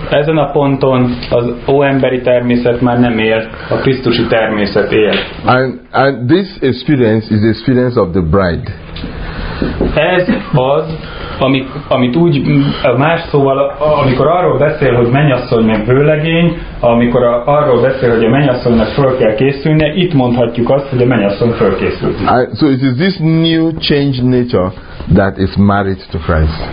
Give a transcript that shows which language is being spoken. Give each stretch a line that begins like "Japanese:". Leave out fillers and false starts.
Hungarian: Ezen a ponton az óemberi természet már nem él, a krisztusi természet él.
English: And this experience is the experience of the bride.
Hungarian: Ez az, amit úgy, más szóval, amikor arról beszél, hogy mennyasszony meg vőlegény, amikor arról beszél, hogy a mennyasszonynak föl kell készülnie, itt mondhatjuk azt, hogy a mennyasszony fölkészült.
English: So it is this new changed nature that is married to Christ.